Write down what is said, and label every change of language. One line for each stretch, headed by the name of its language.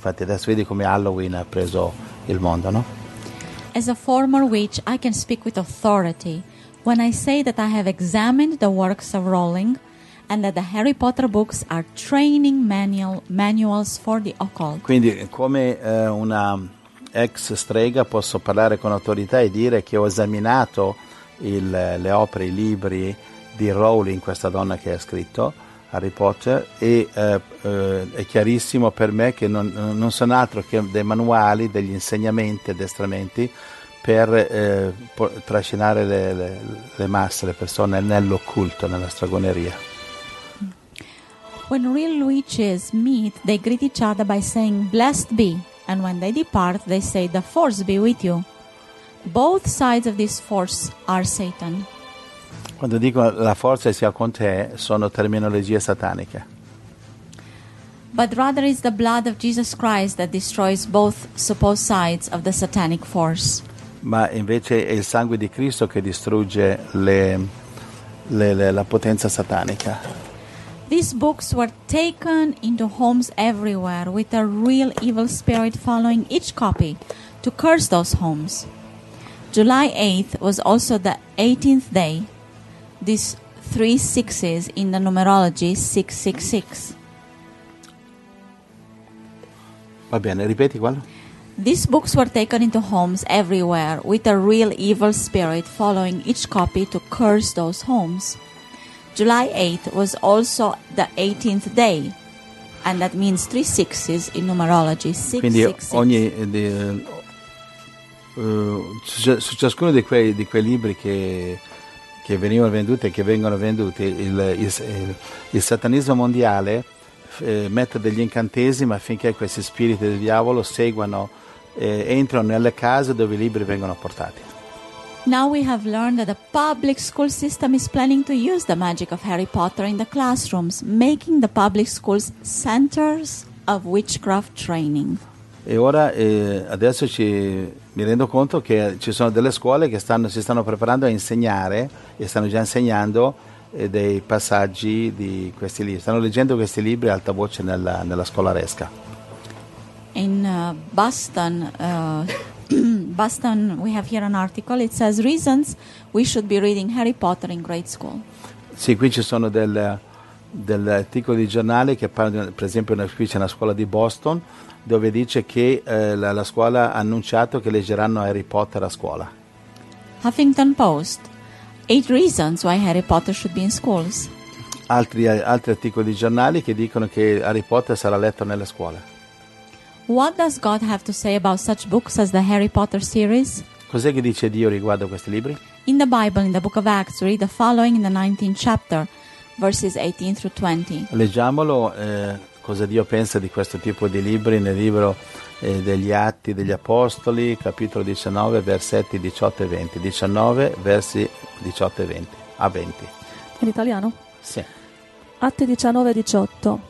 Italian: Infatti adesso vedi come Halloween ha preso il mondo, no?
English: As a former witch, I can speak with authority when I say that I have examined the works of Rowling and that the Harry Potter books are training manuals for the occult.
Italian: Quindi, come una ex strega, posso parlare con autorità e dire che ho esaminato le opere, i libri di Rowling, questa donna che ha scritto Harry Potter, e è chiarissimo per me che non sono altro che dei manuali, degli insegnamenti, addestramenti per trascinare le masse, le persone nell'occulto, nella stregoneria.
English: When real witches meet, they greet each other by saying blessed be, and when they depart they say the force be with you. Both sides of this force are Satan.
Italian: Quando dicono la forza sia con te, sono terminologie sataniche.
English: But rather is the blood of Jesus Christ that destroys both supposed sides of the satanic force.
Italian: Ma invece è il sangue di Cristo che distrugge la potenza satanica.
English: These books were taken into homes everywhere with a real evil spirit following each copy to curse those homes. July 8th was also the 18th day. These three sixes in the numerology 666.
Italian: Va bene, ripeti quello.
English: These books were taken into homes everywhere with a real evil spirit following each copy to curse those homes. July 8th was also the 18th day, and that means three sixes in numerology 666.
Italian: Quindi ogni su ciascuno di quei libri che venivano venduti e che vengono venduti, il satanismo mondiale mette degli incantesimi affinché questi spiriti del diavolo seguano e entrano nelle case dove i libri vengono portati. Now we have learned that the public school system is planning to use the magic of Harry Potter in the classrooms, making the public schools centers of witchcraft training. E ora adesso mi rendo conto che ci sono delle scuole che si stanno preparando a insegnare e stanno già insegnando dei passaggi di questi libri. Stanno leggendo questi libri a alta voce nella scolaresca.
English: In Boston we have here an article. It says reasons we should be reading Harry Potter in grade school.
Italian: Sì, qui ci sono degli articoli di giornale che parlano, per esempio, qui c'è una scuola di Boston dove dice che la scuola ha annunciato che leggeranno Harry Potter a scuola.
English: Huffington Post, 8 reasons why Harry Potter should be in schools.
Italian: Altri articoli di giornali che dicono che Harry Potter sarà letto nelle scuole.
English: What does God have to say about such books as the Harry Potter series?
Italian: Cos'è che dice Dio riguardo questi libri?
English: In the Bible, in the book of Acts, read the following in the 19th chapter, verses 18 through 20.
Italian: Leggiamolo. Cosa Dio pensa di questo tipo di libri nel libro degli Atti degli Apostoli, capitolo 19, versetti 18 e 20. 19, versi 18 e 20. A 20. In italiano? Sì. Atti 19, 18.